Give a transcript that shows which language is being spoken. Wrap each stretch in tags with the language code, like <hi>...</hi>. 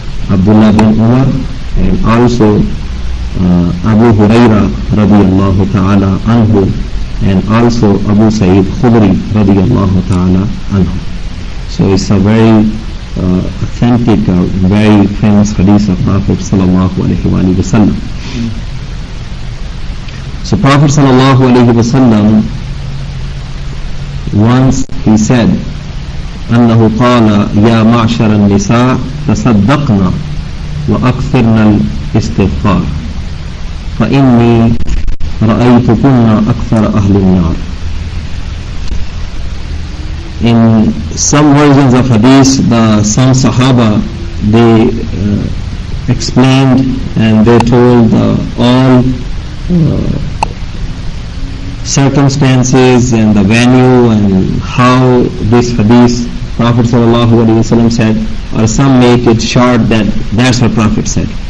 <en>Abdullah ibn Umar, and also Abu Huraira radiallahu ta'ala anhu, and also Abu Sayyid Khudri radiallahu ta'ala anhu. So it's a very authentic, very famous hadith of Prophet sallallahu alayhi wa sallam. So Prophet sallallahu alayhi wa sallam, once he said,</en> <ar>أَنَّهُ قَالَ يَا مَعْشَرَ النِّسَاءِ تَصَدَّقْنَا وَأَكْثِرْنَا الْإِسْتِغْفَارِ فَإِنِّي رَأَيْتُكُنَّ أَكْثَرَ أَهْلِ النَّارِ.</ar> <en>In some versions of hadith, some sahaba, they explained and they told all circumstances and the venue and how this hadith Prophet sallallahu alaihi wasallam said, or some make it short that that's what Prophet said.</en>